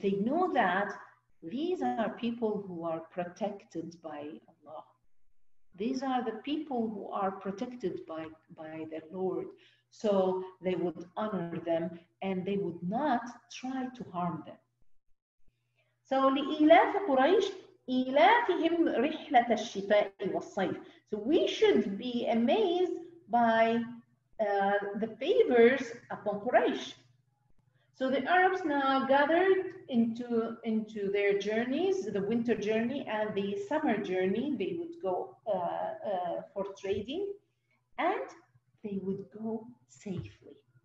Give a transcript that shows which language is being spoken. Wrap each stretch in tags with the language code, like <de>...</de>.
<en>They know that these are people who are protected by Allah. These are the people who are protected by their Lord. So they would honor them and they would not try to harm them.</en> <ar>So لإلاف قريش إلافهم رحلة الشتاء والصيف.</ar> <en>So we should be amazed by the favors upon Quraysh. So the Arabs now gathered into their journeys, the winter journey and the summer journey. They would go for trading and they would go safely.</en>